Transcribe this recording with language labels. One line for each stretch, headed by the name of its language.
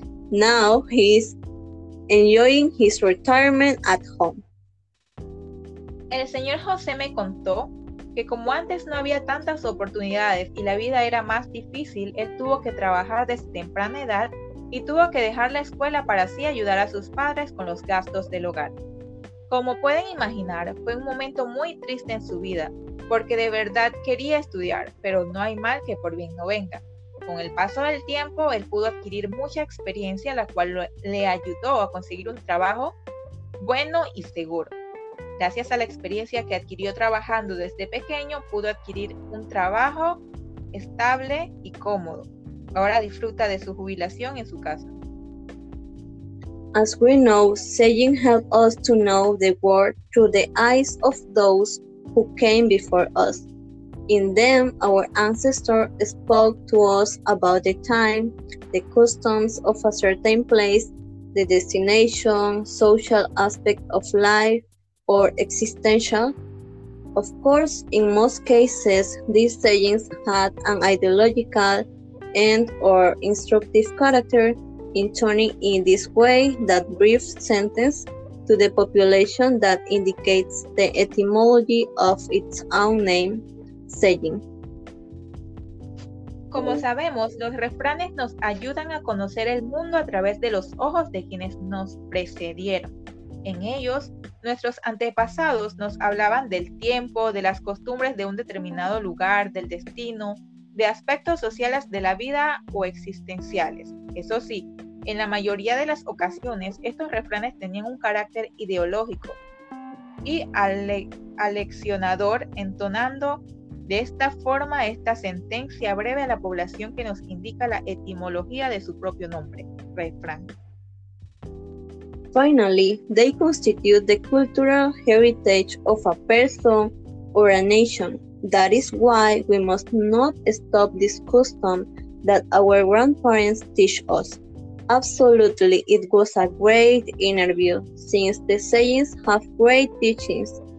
English: Now he is enjoying his retirement at home.
Spanish: El señor José me contó que como antes no había tantas oportunidades y la vida era más difícil, él tuvo que trabajar desde temprana edad y tuvo que dejar la escuela para así ayudar a sus padres con los gastos del hogar. Como pueden imaginar, fue un momento muy triste en su vida, porque de verdad quería estudiar, pero no hay mal que por bien no venga. Con el paso del tiempo, él pudo adquirir mucha experiencia, la cual le ayudó a conseguir un trabajo bueno y seguro. Gracias a la experiencia que adquirió trabajando desde pequeño, pudo adquirir un trabajo estable y cómodo. Ahora disfruta de su jubilación en su casa.
English: As we know, saying help us to know the world through the eyes of those who came before us. In them, our ancestors spoke to us about the time, the customs of a certain place, the destination, social aspect of life, or existential. Of course, in most cases, these sayings had an ideological and or instructive character, intoning in this way that brief sentence to the population that indicates the etymology of its own name, saying.
Spanish: Como sabemos, los refranes nos ayudan a conocer el mundo a través de los ojos de quienes nos precedieron. En ellos, nuestros antepasados nos hablaban del tiempo, de las costumbres de un determinado lugar, del destino, de aspectos sociales de la vida o existenciales. Eso sí, en la mayoría de las ocasiones, estos refranes tenían un carácter ideológico y aleccionador, entonando de esta forma esta sentencia breve a la población que nos indica la etimología de su propio nombre, refrán.
English: Finally, they constitute the cultural heritage of a person or a nation. That is why we must not stop this custom that our grandparents teach us. Absolutely, it was a great interview, since the sayings have great teachings.